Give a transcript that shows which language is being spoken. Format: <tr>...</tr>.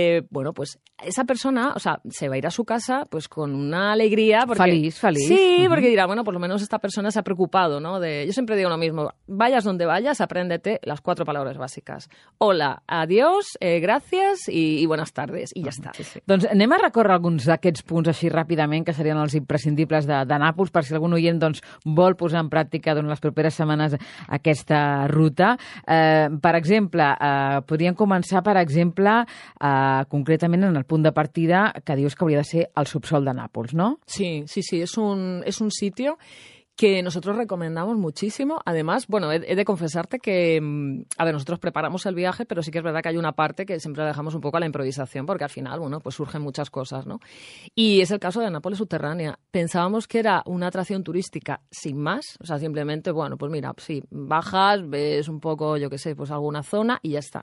<es>Bueno, pues esa persona, o sea, se va a ir a su casa pues con una alegría. Porque, feliz. Sí, uh-huh. Porque dirá, bueno, por lo menos esta persona se ha preocupado, ¿no? Yo siempre digo lo mismo, vayas donde vayas, apréndete las cuatro palabras básicas. Hola, adiós, gracias y buenas tardes. Y ya está. Sí, sí.</es> <ca>Doncs anem a recórrer alguns d'aquests punts així ràpidament, que serien els imprescindibles de Nàpols, per si algun oient doncs vol posar en pràctica durant les properes setmanes aquesta ruta. Per exemple, podríem començar, per exemple, concretament en el punt de partida que dius que hauria de ser el subsol de Nàpols, no?</ca> <es>Sí, és un sitio que nosotros recomendamos muchísimo. Además, bueno, he de confesarte que, a ver, nosotros preparamos el viaje, pero sí que es verdad que hay una parte que siempre la dejamos un poco a la improvisación, porque al final, bueno, pues surgen muchas cosas, ¿no? Y es el caso de Nápoles Subterránea. Pensábamos que era una atracción turística sin más, o sea, simplemente, bueno, pues mira, sí, bajas, ves un poco, yo qué sé, pues alguna zona y ya está.</es>